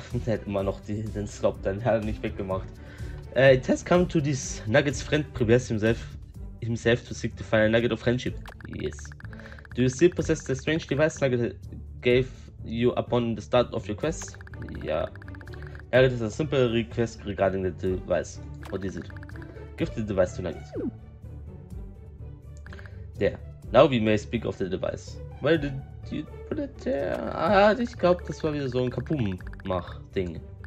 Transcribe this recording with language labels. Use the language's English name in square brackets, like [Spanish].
[German] Hätte man noch den Slop dann ja nicht weggemacht. [English] It has come to this Nugget's friend prepares himself to seek the final Nugget of Friendship. Yes. Do you still possess the strange device Nugget gave you upon the start of your quest? Yeah. Nugget has a simple request regarding the device. What is it? Give the device to Nugget. There. Now we may speak of the device. Where did you put it there? [German] Ich glaube, das war wieder so ein Kaboom-Mach-Ding.